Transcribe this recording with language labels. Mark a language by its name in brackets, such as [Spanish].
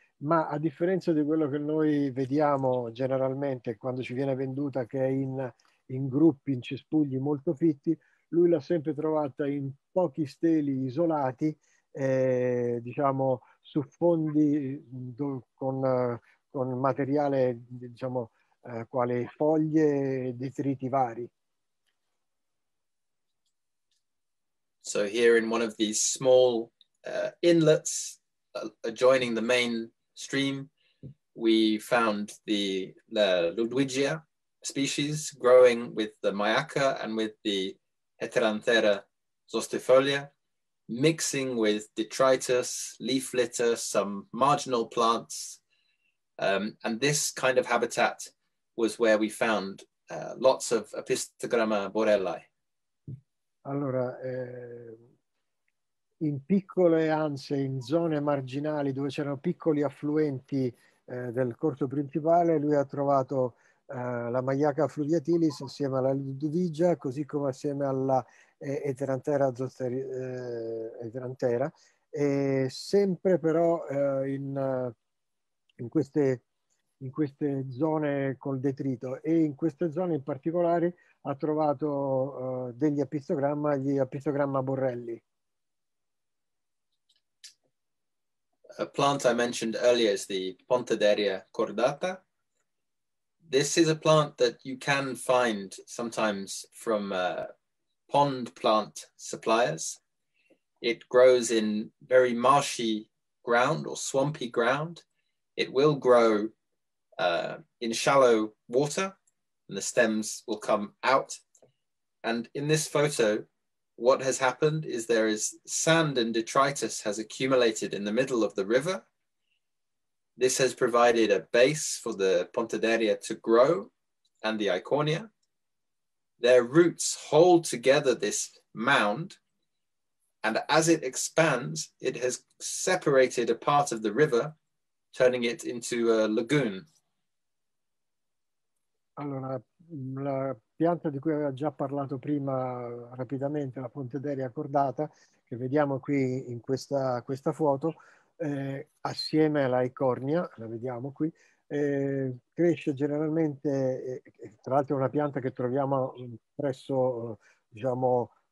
[Italian] ma a differenza di quello che noi vediamo generalmente quando ci viene venduta, che è in gruppi, in cespugli molto fitti, lui l'ha sempre trovata in pochi steli isolati, diciamo su fondi con materiale, diciamo, quale foglie e detriti vari. [English] So here in one of these small inlets adjoining the main stream, we found the Ludwigia species growing with the Myiaca and with the Heteranthera zostifolia, mixing with detritus, leaf litter, some marginal plants. And this kind of habitat was where we found lots of Epistogramma borellae. [Italian] Allora, in piccole anse, in zone marginali dove c'erano piccoli affluenti del corso principale, lui ha trovato la Magliaca fluviatilis assieme alla Ludovigia, così come assieme alla Eterantera zosteri, Eterantera, e sempre però in queste zone col detrito, e in queste zone in particolare ha trovato degli epistogramma, gli epistogramma Borrelli. [English] A plant I mentioned earlier is the Pontederia cordata. This is a plant that you can find sometimes from pond plant suppliers. It grows in very marshy ground or swampy ground. It will grow in shallow water, and the stems will come out. And in this photo, what has happened is there is sand and detritus has accumulated in the middle of the river. This has provided a base for the Pontederia to grow and the Iconia. Their roots hold together this mound, and as it expands, it has separated a part of the river, turning it into a lagoon. [Italian] Allora, la pianta di cui aveva già parlato prima rapidamente, la Pontederia cordata, che vediamo qui in questa foto, assieme alla Icornia, la vediamo qui, cresce generalmente, tra l'altro è una pianta che troviamo presso, diciamo,